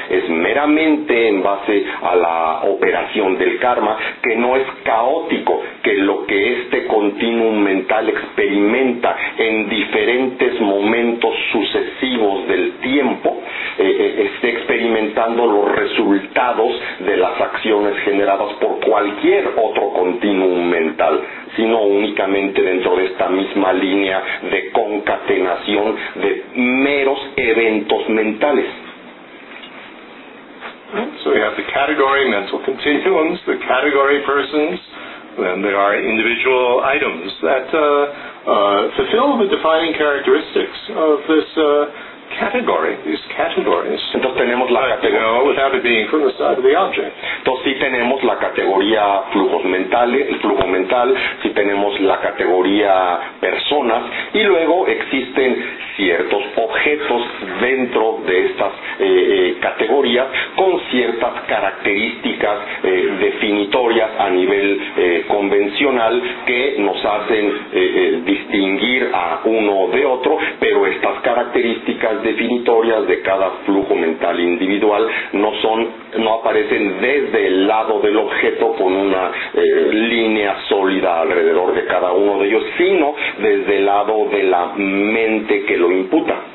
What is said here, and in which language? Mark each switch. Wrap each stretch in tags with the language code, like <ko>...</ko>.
<es>Es meramente en base a la operación del karma, que no es caótico, que lo que este continuum mental experimenta en diferentes momentos sucesivos del tiempo, esté experimentando los resultados de las acciones generadas por cualquier otro continuum mental, sino únicamente dentro de esta misma línea de concatenación de meros eventos mentales.</es> <en>So we have the category mental continuums, the category persons, then there are individual items that fulfill the defining characteristics of this category, these categories.</en> <es>Entonces tenemos la categoría,</es> <en>without it being from the side of the object.</en> <es>Entonces sí tenemos la categoría flujos mentales, el flujo mental, sí tenemos la categoría personas, y luego existen ciertos objetos dentro de estas categorías con ciertas características definitorias a nivel convencional que nos hacen distinguir a uno de otro, pero estas características definitorias de cada flujo mental individual no aparecen desde el lado del objeto con una línea sólida alrededor de cada uno de ellos, sino desde el lado de la mente que lo imputa.</es>